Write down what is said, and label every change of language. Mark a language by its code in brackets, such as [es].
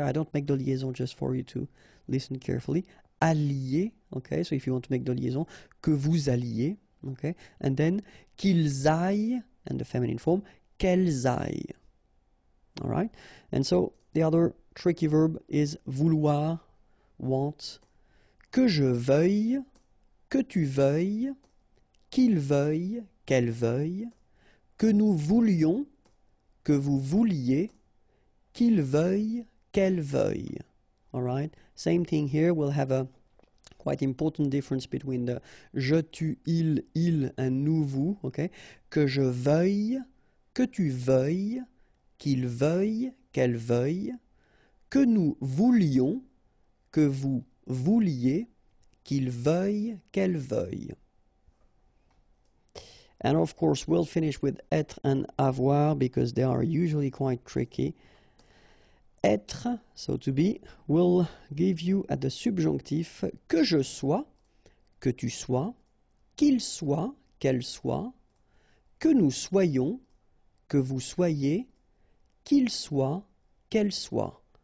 [en] I don't make the liaison just for you to listen carefully. Allier, okay? So if you want to make the liaison, [fr] que vous alliez, [en] okay? And then [fr] qu'ils aillent, [en] and the feminine form, [fr] qu'elles aillent. [en] All right? And so the other tricky verb is vouloir, want, [fr] que je veuille, que tu veuilles, qu'il veuille, qu'elle veuille, que nous voulions, que vous vouliez, qu'il veuille, qu'elle veuille. [en] All right? Same thing here. We'll have a quite important difference between the je, tu, il, and nous, vous. Okay? [fr] Que je veuille, que tu veuilles, qu'il veuille, qu'elle veuille, que nous voulions, que vous vouliez, qu'il veuille, qu'elle veuille. [en] And of course, we'll finish with être and avoir because they are usually quite tricky. Être, so to be, will give you at the subjonctif [fr] que je sois, que tu sois, qu'il soit, qu'elle soit, que nous soyons, que vous soyez, qu'il soit, qu'elle soit.